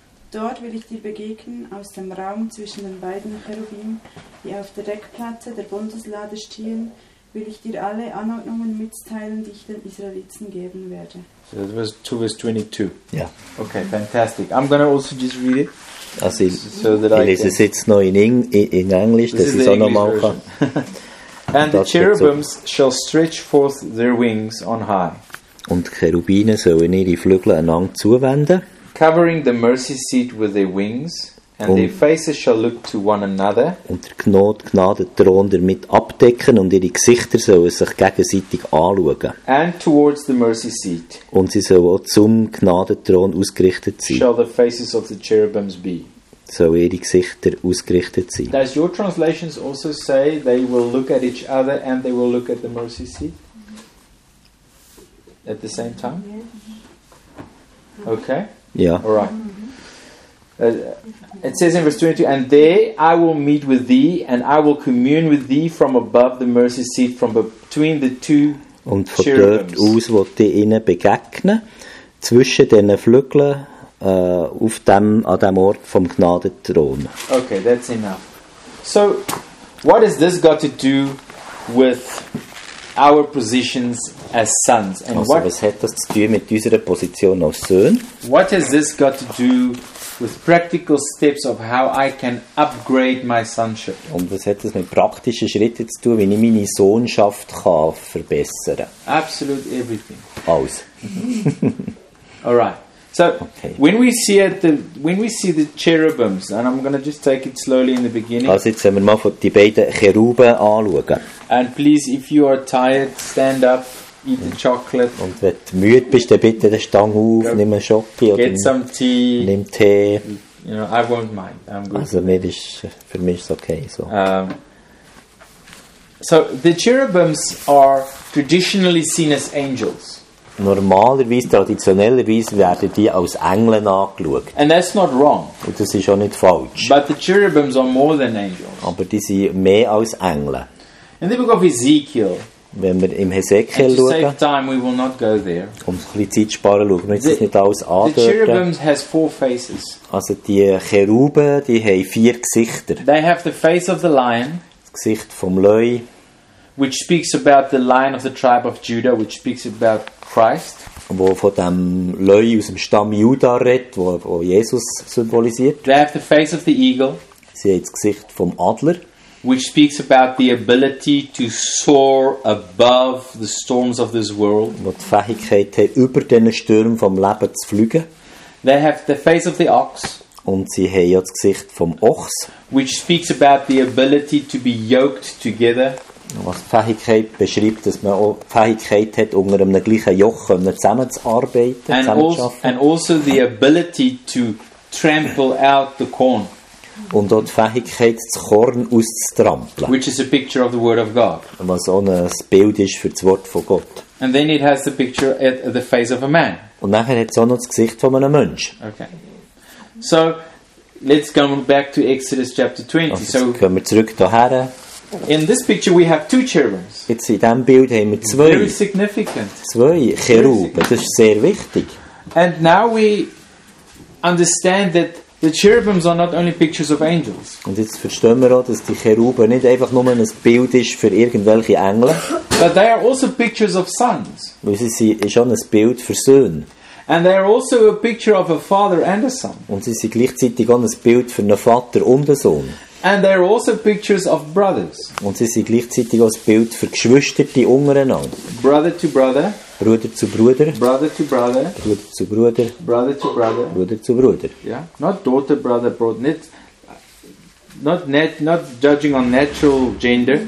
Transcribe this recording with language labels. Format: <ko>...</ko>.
<de>Dort will ich dir begegnen aus dem Raum zwischen den beiden Cherubim, die auf der Deckplatte der Bundeslade stehen, will ich dir alle Anordnungen mitteilen, die ich den Israeliten geben werde.</de> <en>So that was 2 verse 22. Yeah. Okay, fantastic. I'm going to also just read it.</en> <de>Also ich lese es jetzt noch in Englisch, das ist auch nochmal.</de> <en>And the cherubims shall stretch forth their wings on high.</en> <de>Und die Cherubinen sollen ihre Flügel einander zuwenden.</de> <en>Covering the mercy seat with their wings. And their faces shall look to one another.</en> <de>Und der Gnadenthron damit abdecken und ihre Gesichter sollen sich gegenseitig anschauen.</de> <en>And towards the mercy seat.</en> <de>Und sie sollen auch zum Gnadenthron ausgerichtet sein.</de> <en>Shall the faces of the cherubims be.</en> <de>Sollen ihre Gesichter ausgerichtet sein.</de> <en>Does your translations also say they will look at each other and they will look at the mercy seat? At the same time? Okay. Yeah. All right. It says in verse 22, and there I will meet with thee, and I will commune with thee from above the mercy seat, from between the two</en> <de>und von cherubims. Dort aus wollt ich ihnen begegnen, zwischen den Flügeln, auf dem, an dem Ort vom Gnadenthron.</de> <en>Okay, that's enough. So, what has this got to do with our positions as sons? And also,</en> <de>was hat das zu tun mit unserer Position als Söhne?</de> <en>What has this got to do with practical steps of how I can upgrade my sonship?</en> <de>Und was hat das mit praktischen Schritten zu tun, wenn ich meine Sohnschaft kann verbessern?</de> <en>Absolute everything.</en> <de>Alles.</de> <en>All right. So, okay. when we see the cherubims, and I'm going to just take it slowly in the beginning.</en> <de>Also jetzt sehen wir mal von die beiden Cheruben anschauen.</de> <en>And please, if you are tired, stand up. Eat the chocolate.</en> <de>Und wenn du müde bist, dann bitte den Stang auf,</de> <en>go,</en> <de>nimm einen Schoppi oder</de> <en>get some tea.</en> <de>Nimm Tee.</de> <en>You know, I won't mind. I'm good.</en> <de>Also mir ist, für mich ist es okay.</de> <en>So. So the cherubims are traditionally seen as angels.</en> <de>Normalerweise, traditionellerweise werden die als Engel angeschaut.</de> <en>And that's not wrong.</en> <de>Und das ist auch nicht falsch.</de> <en>But the cherubims are more than angels.</en> <de>Aber die sind mehr als Engel.</de> <en>In the book of Ezekiel.</en> <de>Wenn wir im Hesekiel schauen,</de> <en>save time, we will not go there.</en> <de>Um ein bisschen Zeit zu sparen, schauen wir uns das nicht alles an.</de> <en>The cherubims has four faces.</en> <de>Also die Cheruben, die haben vier Gesichter.</de> <en>They have the face of the lion,</en> <de>das Gesicht vom Löwe,</de> <en>which speaks about the lion of the tribe of Judah, which speaks about Christ.</en> <de>Wo von dem Löwe aus dem Stamm Juda redet, wo Jesus symbolisiert.</de> <en>They have the face of the eagle,</en> <de>sie haben das Gesicht vom Adler,</de> <en>which speaks about the ability to soar above the storms of this world.</en> <de>Wo die Fähigkeit haben, über den Stürmen vom Leben zu fliegen.</de> <en>They have the face of the ox.</en> <de>Und sie haben ja das Gesicht vom Ochs.</de> <en>Which speaks about the ability to be yoked together.</en> <de>Was die Fähigkeit beschreibt, dass man auch die Fähigkeit hat, unter einem gleichen Joch zusammenzuarbeiten, zusammenzuschaffen.</de> <en>And also the ability to trample out the corn.</en> <de>Und dort die Fähigkeit, das Korn auszutrampeln.</de> <en>Which is a picture of the word of God.</en> <de>Was auch ein Bild ist für das Wort von Gott.</de> <en>And then it has the picture at the face of a man.</en> <de>Und nachher hat es auch noch das Gesicht von einem Mensch.</de> <en>Okay. So, let's go back to Exodus chapter 20.</en> <de>Also, kommen wir zurück hierher.</de> <en>In this picture we have two cherubims.</en> <de>Jetzt in diesem Bild haben wir zwei.</de> <en>Very significant.</en> <de>Zwei Cheruben. Das ist sehr wichtig.</de> <en>And now we understand that the cherubims are not only pictures of angels.</en> <de>Und jetzt verstehen wir auch, dass die Cheruben nicht einfach nur ein Bild ist für irgendwelche Engel.</de> <en>But they are also pictures of sons.</en> <de>Weil sie sind schon ein Bild für Söhne.</de> <en>And they are also a picture of a father and a son.</en> <de>Und sie sind gleichzeitig auch ein Bild für einen Vater und einen Sohn.</de> <en>And they are also pictures of brothers.</en> <de>Und sie sind gleichzeitig auch ein Bild für Geschwister, die untereinander.</de> <en>Brother to brother.</en> <de>Bruder zu Bruder.</de> <en>Brother to brother.</en> <de>Bruder zu Bruder.</de> <en>Brother to brother.</en> <de>Bruder zu Bruder.</de> <en>Yeah. Not daughter, brother, brother. Not judging on natural gender.</en>